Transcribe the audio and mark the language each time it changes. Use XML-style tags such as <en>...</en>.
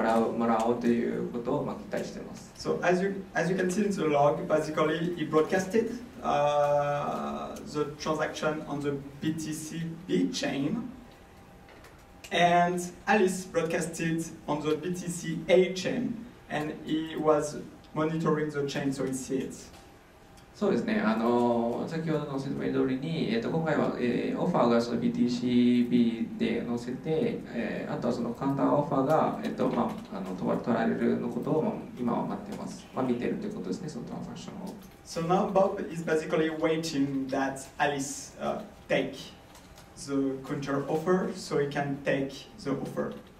<ja>後でBTCをもらおうということを期待しています。</ja> <en>So as you can see in the log, basically he broadcasted the transaction on the BTC B chain, and Alice broadcasted on the BTC A chain, and he was monitoring the chain so he sees it.</en> <ja>そうですね。あの、先ほどの説明通りに、今回は、オファーがBTCBで載せて、あとはそのカウンターオファーが、取られるのことを、今は待ってます。まあ、見てるということですね、そのトランザクションを。</ja> <en>So now Bob is basically waiting that Alice take the counter offer so he can take the offer.</en>